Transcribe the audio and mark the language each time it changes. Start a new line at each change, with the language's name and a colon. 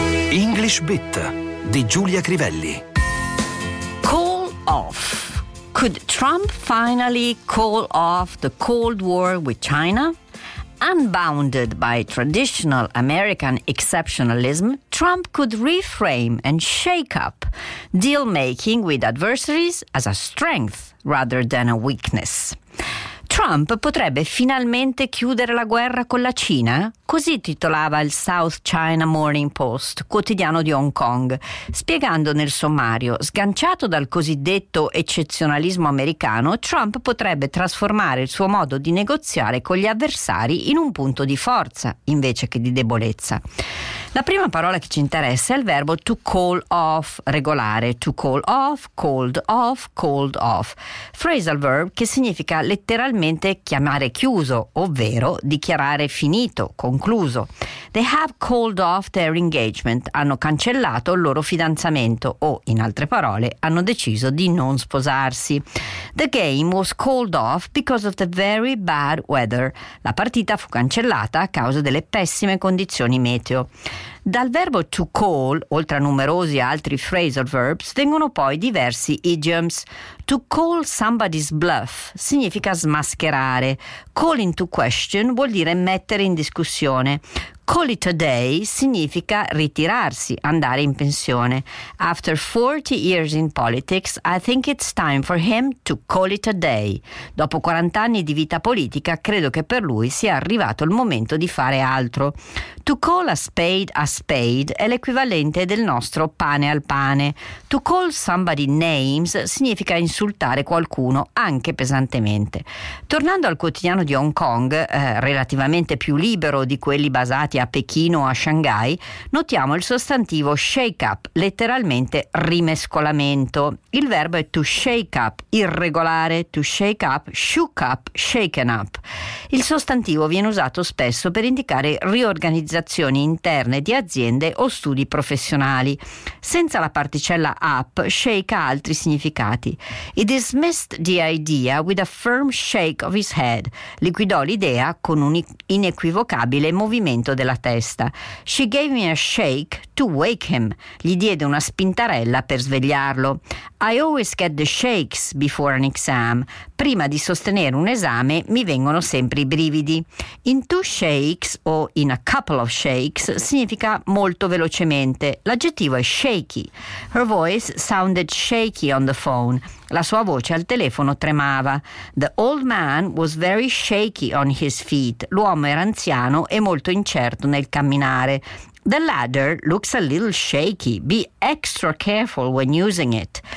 Italian: English Bit di Giulia Crivelli.
English: Call off. Could Trump finally call off the Cold War with China? Unbounded by traditional American exceptionalism, Trump could reframe and shake up deal-making with adversaries as a strength rather than a weakness.
Italian: Trump potrebbe finalmente chiudere la guerra con la Cina? Così titolava il South China Morning Post, quotidiano di Hong Kong, spiegando nel sommario: sganciato dal cosiddetto eccezionalismo americano, Trump potrebbe trasformare il suo modo di negoziare con gli avversari in un punto di forza invece che di debolezza. La prima parola che ci interessa è il verbo to call off, regolare, to call off, called off, called off. Phrasal verb che significa letteralmente chiamare chiuso, ovvero dichiarare finito, concluso.
English: They have called off their engagement,
Italian: hanno cancellato il loro fidanzamento o, in altre parole, hanno deciso di non sposarsi.
English: The game was called off because of the very bad weather.
Italian: La partita fu cancellata a causa delle pessime condizioni meteo. Dal verbo to call, oltre a numerosi altri phrasal verbs, vengono poi diversi idioms. To call somebody's bluff significa smascherare. Call into question vuol dire mettere in discussione. Call it a day significa ritirarsi, andare in pensione.
English: After 40 years in politics, I think it's time for him to call it a day.
Italian: Dopo 40 anni di vita politica, credo che per lui sia arrivato il momento di fare altro. To call a spade è l'equivalente del nostro pane al pane. To call somebody names significa insultare qualcuno, anche pesantemente. Tornando al quotidiano di Hong Kong, relativamente più libero di quelli basati a Pechino o a Shanghai, notiamo il sostantivo shake up, letteralmente rimescolamento. Il verbo è to shake up, irregolare, to shake up, shook up, shaken up. Il sostantivo viene usato spesso per indicare riorganizzazioni interne di aziende o studi professionali. Senza la particella up, shake ha altri significati.
English: He dismissed the idea with a firm shake of his head.
Italian: Liquidò l'idea con un inequivocabile movimento della testa.
English: She gave me a shake to wake him.
Italian: Gli diede una spintarella per svegliarlo.
English: I always get the shakes before an exam.
Italian: Prima di sostenere un esame mi vengono sempre i brividi. In two shakes o
English: in a couple of shakes
Italian: significa molto velocemente. L'aggettivo è shaky.
English: Her voice sounded shaky on the phone.
Italian: La sua voce al telefono tremava.
English: The old man was very shaky on his feet.
Italian: L'uomo era anziano e molto incerto nel camminare.
English: The ladder looks a little shaky. Be extra careful when using it.